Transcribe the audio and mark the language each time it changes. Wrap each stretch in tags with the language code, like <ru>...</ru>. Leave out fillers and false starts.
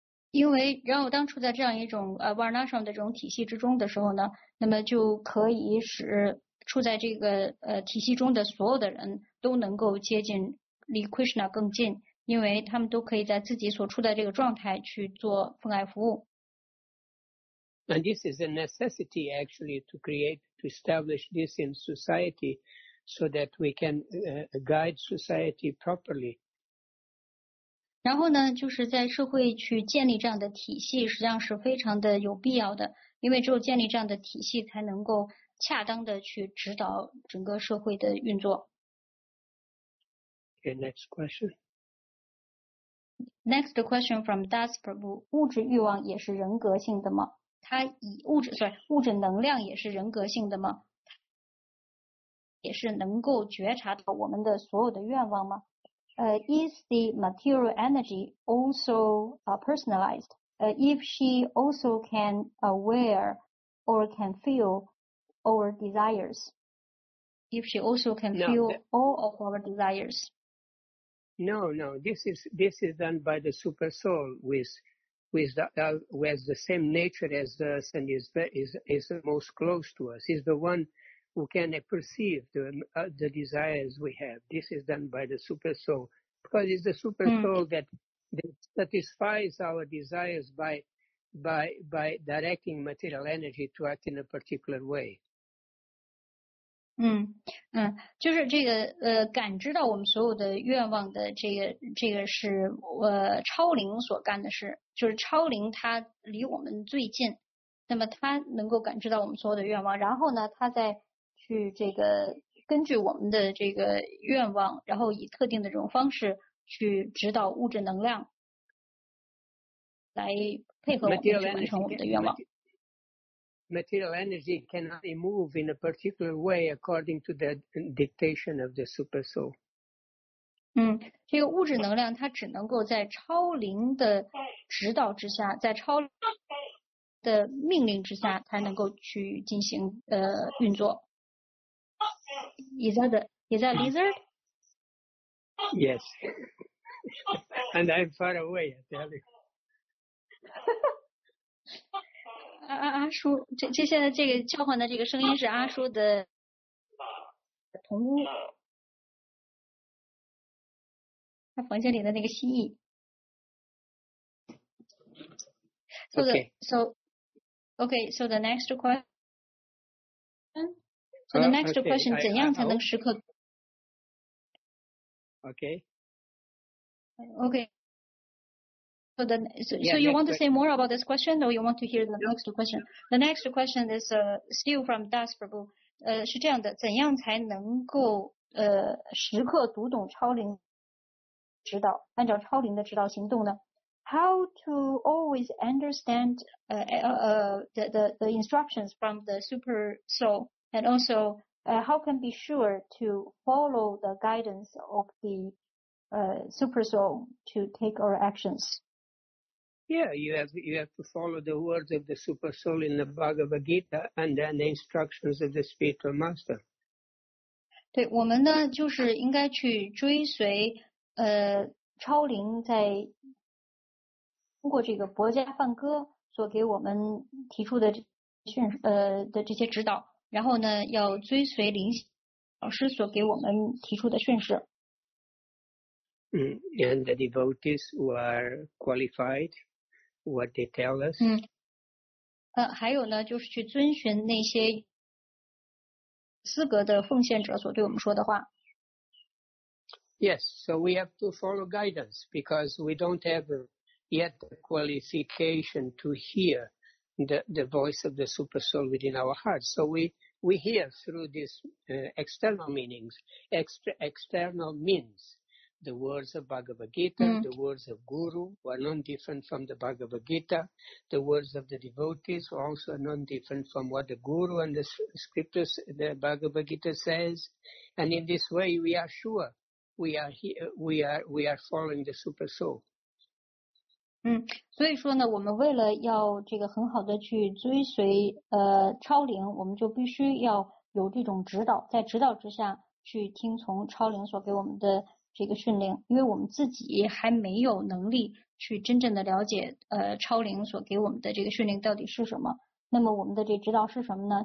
<zh>因为让我当初在这样一种Varna ashram的这种体系之中的时候呢，那么就可以使处在这个体系中的所有的人都能够接近离 Krishna 更近，因为他们都可以在自己所处的这个状态去做奉爱服务。</zh> <en>And this is a necessity actually to establish this in society so that we can guide society properly.</en> <zh>然后呢，就是在社会去建立这样的体系，实际上是非常的有必要的，因为只有建立这样的体系，才能够恰当的去指导整个社会的运作。</zh> <en>Okay, next question. Next question from Das Prabhu.</en> <zh>物质欲望也是人格性的吗？它以物质能量也是人格性的吗？也是能够觉察到我们的所有的愿望吗？</zh> <en>Is the material energy also personalized? If she also can aware or can feel our desires? If she also can feel all of our desires? No. This is done by the super soul with the same nature as us, and is the most close to us. Is the one who can perceive the desires we have. This is done by the super soul, because it's the super soul that satisfies our desires by directing material energy to act in a particular way.</en> <zh>就是这个感知到我们所有的愿望的这个是超灵所干的事，就是超灵它离我们最近，那么它能够感知到我们所有的愿望，然后呢它再去这个根据我们的这个愿望，然后以特定的这种方式去指导物质能量来配合我们去完成我们的愿望。</zh> <en>Material energy cannot move in a particular way according to the dictation of the super soul.</en> <zh>这个物质能量它只能够在超灵的指导之下，在超的命令之下才能够去进行运作。</zh> <en>Is that lizard? Yes. And I'm far away, I tell you.</en> <zh>阿叔，这现在这个叫唤的这个声音是阿叔的同屋。他房间里的那个蜥蜴。</zh> <en>So the next question. So the next question,</en> <zh>怎样才能时刻</zh> <en>Okay. So you want to say more about this question, or you want to hear the next question? The next question is still from Das Prabhu.</en> <zh>是这样的，怎样才能够时刻读懂超灵指导，按照超灵的指导行动呢？</zh> <en>How to always understand the instructions from the super soul, and also how can be sure to follow the guidance of the super soul to take our actions? Yeah, you have to follow the words of the super soul in the Bhagavad Gita and then the instructions of the spiritual master.</en> <zh>对，我们呢就是应该去追随超灵在。通过这个薄伽梵歌所给我们提出的这些指导，然后呢要追随灵老师所给我们提出的训示。</zh> <en>And the devotees were qualified, what they tell us.</en> <zh>还有呢就是去遵循那些资格的奉献者所对我们说的话。</zh> <en>Yes, so we have to follow guidance because we don't have yet the qualification to hear the voice of the super soul within our hearts. So we hear through these external meanings, external means, the words of Bhagavad Gita, the words of Guru, who are non-different from the Bhagavad Gita, the words of the devotees, who are also non-different from what the Guru and the scriptures, the Bhagavad Gita says. And in this way, we are sure we are following the super soul.</en> <zh>所以说呢，我们为了要这个很好的去追随超灵，我们就必须要有这种指导，在指导之下去听从超灵所给我们的这个训令，因为我们自己还没有能力去真正的了解超灵所给我们的这个训令到底是什么。那么我们的这指导是什么呢？</zh>